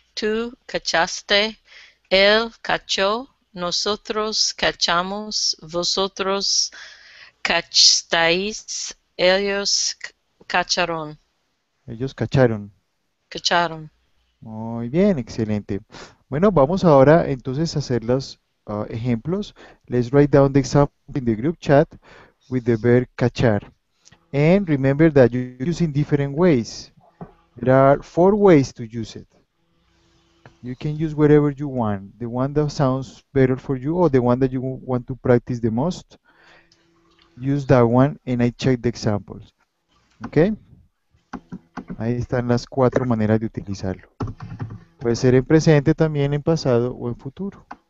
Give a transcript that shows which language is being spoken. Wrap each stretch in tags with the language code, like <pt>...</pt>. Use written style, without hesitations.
<es>Tú cachaste, él cachó, nosotros cachamos, vosotros cachasteis, ellos cacharon. Ellos cacharon. Cacharon. Muy bien, excelente. Bueno, vamos ahora entonces a hacer los ejemplos.</es> <en>Let's write down the example in the group chat with the verb cachar. And remember that you use in different ways. There are four ways to use it. You can use whatever you want, the one that sounds better for you or the one that you want to practice the most. Use that one and I check the examples.</en> <es>Okay? Ahí están las cuatro maneras de utilizarlo. Puede ser en presente, también en pasado o en futuro.</es>